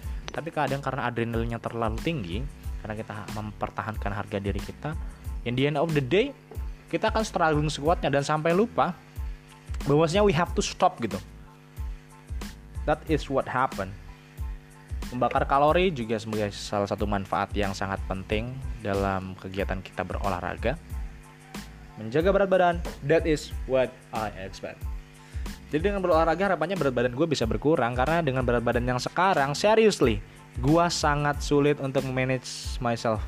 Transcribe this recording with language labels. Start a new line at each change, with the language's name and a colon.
Indonesian: Tapi kadang karena adrenalinnya terlalu tinggi, karena kita mempertahankan harga diri kita,
English: in the end of the day
Indonesian: kita akan struggling sekuatnya dan sampai lupa bahwasanya
English: we have to stop
Indonesian: gitu.
English: That is what happened.
Indonesian: Membakar kalori juga sebagai salah satu manfaat yang sangat penting dalam kegiatan kita berolahraga. Menjaga berat badan,
English: that is what I expect.
Indonesian: Jadi dengan berolahraga harapannya berat badan gue bisa berkurang, karena dengan berat badan yang sekarang, seriously, gue sangat sulit untuk
English: manage myself.